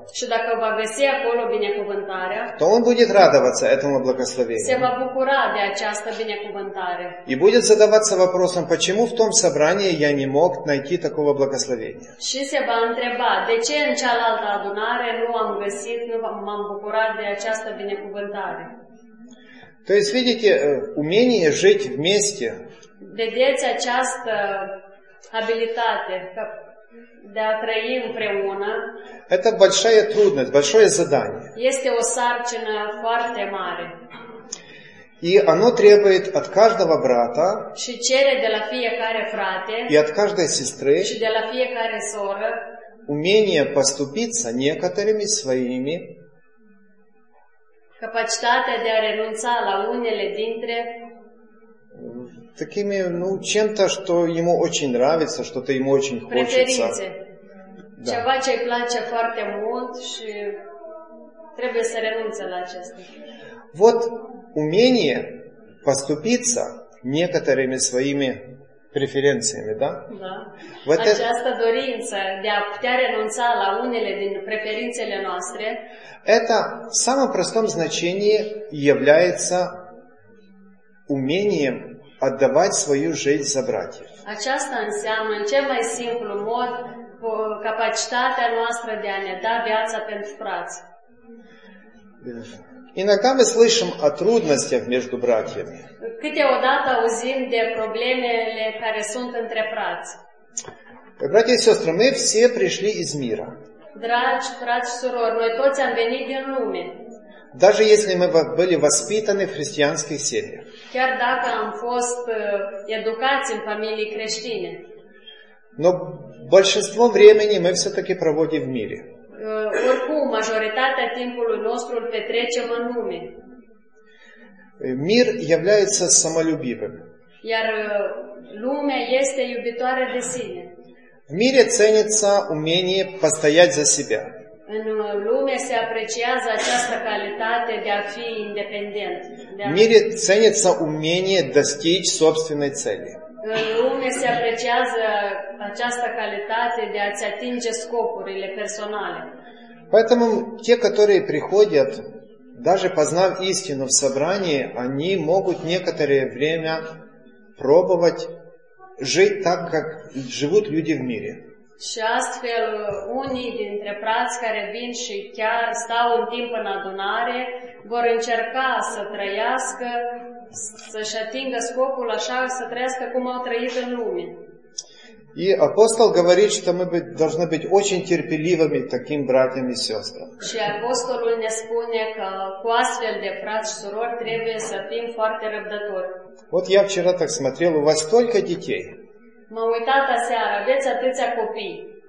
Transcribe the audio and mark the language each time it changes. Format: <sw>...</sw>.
<ro>Și dacă va găsi acolo binecuvântarea,</ro> <ru>то он будет радоваться этому благословению.</ru> <ro>Se va bucura de această binecuvântare.</ro> <ru>И будет задаваться вопросом, почему в том собрании я не мог найти такого благословения.</ru> <ro>Și se va întreba, de ce în cealaltă adunare nu am găsit, nu m-am bucurat de această binecuvântare.</ro> <ru>То есть, видите, умение жить вместе.</ru> <ro>Vedeți această abilitate, că de a trăi împreună.</ro> <ru>Это большая трудность, большое задание.</ru> <ro>Este o sarcină foarte mare.</ro> <ru>И оно требует от каждого брата.</ru> <ro>Și cere de la fiecare frate.</ro> <ru>И от каждой сестры.</ru> <ro>Și de la fiecare soră.</ro> <ru>Умение поступиться некоторыми своими.</ru> <ro>Capacitatea de a renunța la unele dintre</ro> <ru>такими, ну, чем-то, что ему очень нравится, что-то ему очень хочется.</ru> <ro>Preferințe. Да. Ceva ce-i place foarte mult și trebuie să renunțe la acestea.</ro> <ru>Вот умение поступиться некоторыми своими преференциями, да? Да.</ru> <ro>Вот Această dorință de a putea renunța la unele din preferințele noastre,</ro> <ru>это в самом простом значении является умением отдавать свою жизнь за братьев.</ru> <ro>Aceasta înseamnă, în cel mai simplu mod, capacitatea noastră de a ne da viața pentru frați.</ro> <ru>Иногда мы слышим о трудностях между братьями.</ru> <ro>Câteodată auzim de problemele care sunt între frați.</ro> <ru>Братья и сестры, мы все пришли из мира.</ru> <ro>Dragi frați și surori, noi toți am venit din lume.</ro> <ru>Даже если мы были воспитаны в христианских семьях.</ru> <ro>Chiar dacă am fost educați în familii creștine.</ro> <ru>Но большинство времени мы все-таки проводим в мире.</ru> <ro>Oricum, majoritatea timpului nostru îl petrecem în lume.</ro> <ru>Мир является самолюбивым.</ru> <ro>Iar lumea este iubitoare de sine.</ro> <ru>В мире ценится умение постоять за себя.</ru> <ro>În lume se apreciază această calitate de a fi independent.</ro> <ru>В мире ценится умение достичь собственной цели.</ru> <ro>În lume se apreciază această calitate de a-ți atinge scopurile personale.</ro> <ru>Поэтому те, которые приходят, даже познав истину в собрании, они могут некоторое время пробовать жить так, как живут люди в мире.</ru> <ro>Și astfel, unii dintre frați care vin și chiar stau un timp în adunare, vor încerca să trăiască, să-și atingă scopul așa, să trăiască cum au trăit în lume.</ro> <ru>И апостол говорит, что мы должны быть очень терпеливыми таким братьям и сестрам.</ru> <ro>Și апостолul ne spune că cu astfel de frați și surori trebuie să fim foarte răbdători.</ro> <ru>Вот я вчера так смотрел, у вас столько детей.</ru> <ro>M-am uitat aseară, aveți atâția copii.</ro>